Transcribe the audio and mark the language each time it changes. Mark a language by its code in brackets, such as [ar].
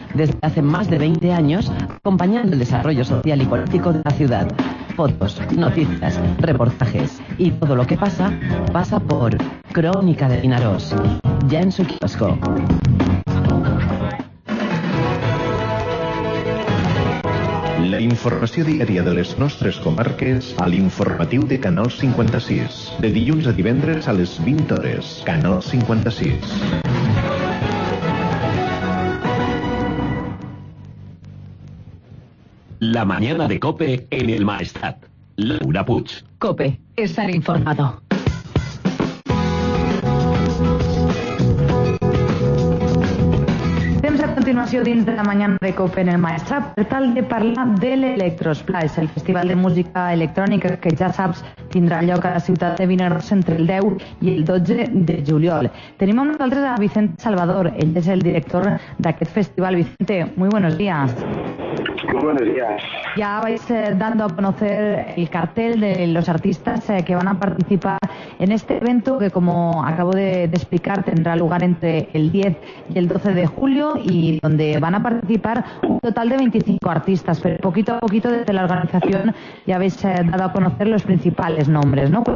[es] Desde hace más de 20 años, acompañando el desarrollo social y político de la ciudad. Fotos, noticias, reportajes y todo lo que pasa, pasa por Crónica de Vinaròs, ya en su kiosco. [ca] La informació diària de les nostres comarques a l'informatiu de Canal 56. De dilluns a divendres a les 20 hores. Canal 56. [es] La mañana de COPE en el Maestrat. Laura Puig. COPE. Estar informado. [ca] A continuació dins de la mañana de COPE en el Maestrat per tal de parlar de l'Electrosplash, el festival de música electrònica que ja saps tindrà lloc a la ciutat de Vinaròs entre el 10 i el 12 de juliol. Tenim amb nosaltres a Vicente Salvador, ell és el director d'aquest festival. [es] Vicente, muy buenos días. Muy buenos días. Ya vais dando a conocer el cartel de los artistas que van a participar en este evento que, como acabo de explicar, tendrá lugar entre el 10 y el 12 de julio y donde van a participar un total de 25 artistas, pero poquito a poquito desde la organización ya habéis dado a conocer los principales nombres, ¿no?